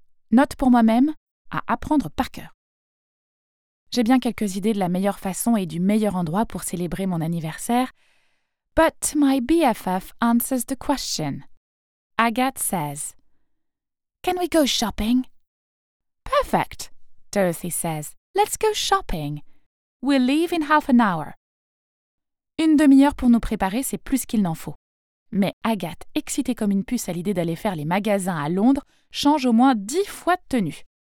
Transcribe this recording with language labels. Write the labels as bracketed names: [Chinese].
[French] Note pour moi-même à apprendre par cœur. J'ai bien quelques idées de la meilleure façon et du meilleur endroit pour célébrer mon anniversaire. [English] But my BFF answers the question. Agathe says, Can we go shopping? Perfect, Dorothy says. Let's go shopping. We'll leave in half an hour. [French] Une demi-heure pour nous préparer, c'est plus qu'il n'en faut. Mais Agathe, excitée comme une puce à l'idée d'aller faire les magasins à Londres, change au moins 10 fois de tenue.